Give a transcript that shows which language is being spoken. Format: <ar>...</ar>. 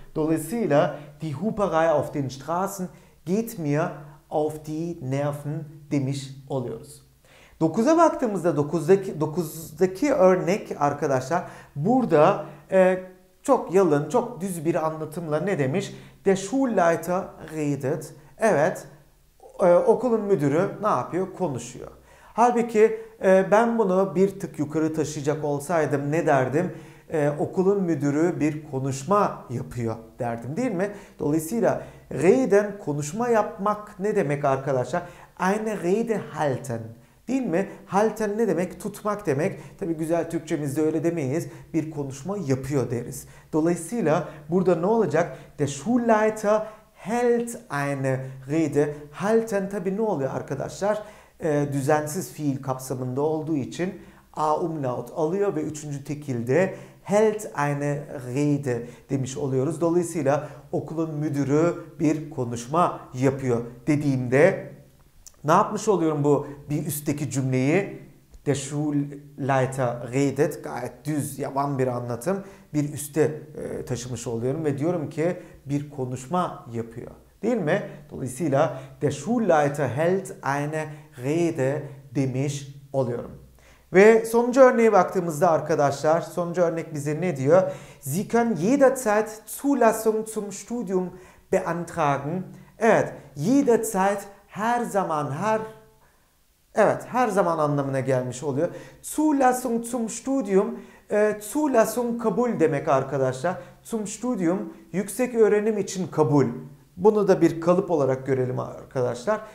<tr>Dolayısıyla</tr> <de>die Huperei auf den Straßen geht mir auf die Nerven</de> <tr>demiş oluyoruz. 9'a baktığımızda 9'daki örnek arkadaşlar burada çok yalın, çok düz bir anlatımla ne demiş?</tr> <de>Der Schulleiter redet.</de> <tr>Evet, okulun müdürü ne yapıyor? Konuşuyor. Halbuki ben bunu bir tık yukarı taşıyacak olsaydım ne derdim? Okulun müdürü bir konuşma yapıyor derdim, değil mi? Dolayısıyla reden konuşma yapmak ne demek arkadaşlar?</tr> <de>Eine Rede halten.</de> <tr>Değil mi? Halten ne demek? Tutmak demek. Tabii güzel Türkçemizde öyle demeyiz. Bir konuşma yapıyor deriz. Dolayısıyla burada ne olacak?</tr> <de>Der Schulleiter hält eine Rede.</de> <tr>Halten tabii ne oluyor arkadaşlar? Düzensiz fiil kapsamında olduğu için a umlaut alıyor ve üçüncü tekilde</tr> <de>hält eine Rede</de> <tr>demiş oluyoruz. Dolayısıyla okulun müdürü bir konuşma yapıyor dediğimde ne yapmış oluyorum bu bir üstteki cümleyi?</tr> <de>Der Schulleiter redet.</de> <tr>Gayet düz, yavan bir anlatım. Bir üste taşımış oluyorum ve diyorum ki bir konuşma yapıyor. Değil mi? Dolayısıyla</tr> <de>der Schulleiter hält eine Rede</de> <tr>demiş oluyorum. Ve sonuncu örneğe baktığımızda arkadaşlar, sonuncu örnek bize ne diyor?</tr> <de>Sie können jederzeit Zulassung zum Studium beantragen.</de> <tr>Evet, jederzeit her zaman, her zaman anlamına gelmiş oluyor. Zulassung zum Studium, Zulassung kabul demek arkadaşlar.</tr> <de>Zum Studium,</de> <tr>yüksek öğrenim için kabul. Bunu da bir kalıp olarak görelim arkadaşlar.</tr>